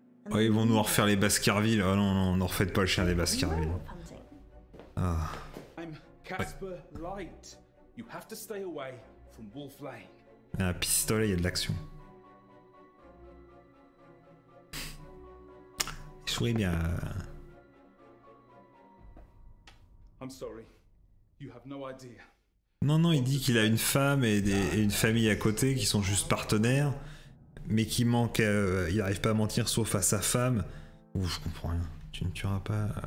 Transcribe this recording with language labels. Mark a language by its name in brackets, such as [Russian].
[French] Oh, ils vont nous refaire les Baskerville, oh non, non, n'en refaites pas le chien des Baskerville. Ah. [English] I'm Casper Light. You have to stay away from Wolf Lane. [French] Il y a un pistolet, il y a de l'action. [English] I'm sorry. You have no idea. [French] Non, non, il dit qu'il a une femme et une famille à côté qui sont juste partenaires, mais qui manque, il n'arrive pas à mentir sauf à sa femme. Ouh, je comprends rien. Tu ne tueras pas.